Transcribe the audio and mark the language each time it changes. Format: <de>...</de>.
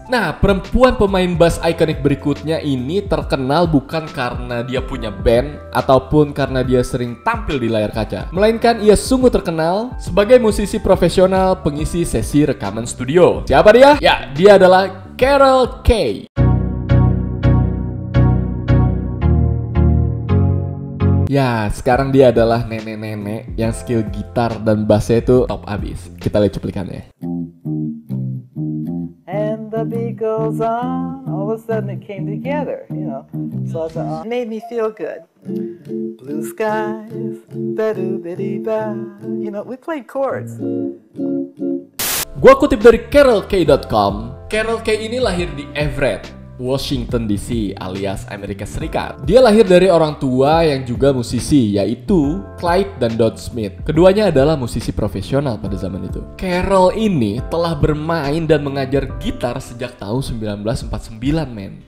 <id>Nah, perempuan pemain bass ikonik berikutnya ini terkenal bukan karena dia punya band ataupun karena dia sering tampil di layar kaca, melainkan ia sungguh terkenal sebagai musisi profesional pengisi sesi rekaman studio. Siapa dia? Ya, dia adalah Carol Kaye. Ya, sekarang dia adalah nenek-nenek yang skill gitar dan bassnya itu top abis. Kita lihat cuplikannya.</id> <en>And the beat goes on, all of a sudden it came together, you know. So it made me feel good. Blue skies, ba-do-bidi-ba. You know, we played chords.</en> <id>Gua kutip dari CarolKaye.com. Carol Kaye ini lahir di Everett, Washington DC alias Amerika Serikat. Dia lahir dari orang tua yang juga musisi, yaitu Clyde dan Dot Smith. Keduanya adalah musisi profesional pada zaman itu. Carol ini telah bermain dan mengajar gitar sejak tahun 1949, men.</id>